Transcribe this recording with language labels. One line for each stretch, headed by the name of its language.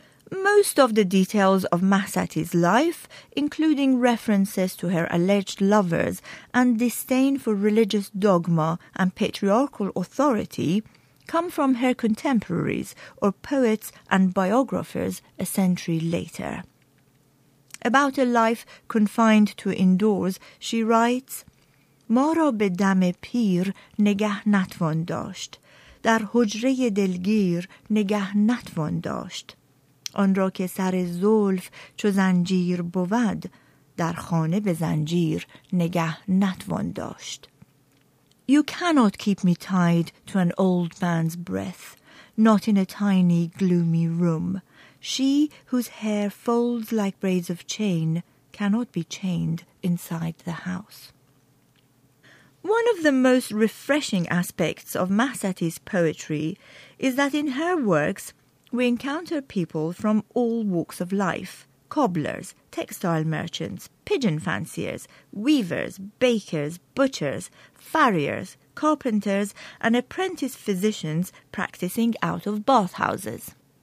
English: most of the details of Mahsati's life, including references to her alleged lovers and disdain for religious dogma and patriarchal authority, come from her contemporaries or poets and biographers a century later. About a life confined to indoors, she writes,
Persian: ما را به دم پیر نگه نتوان داشت، در حجره دلگیر نگه نتوان داشت، آن را که سر زلف چو زنجیر بود، در خانه به زنجیر نگه نتوان داشت.
English: You cannot keep me tied to an old man's breath, not in a tiny gloomy room. She whose hair folds like braids of chain cannot be chained inside the house. One of the most refreshing aspects of Mahsati's poetry is that in her works we encounter people from all walks of life: cobblers, textile merchants, pigeon fanciers, weavers, bakers, butchers, farriers, carpenters, and apprentice physicians practicing out of bathhouses.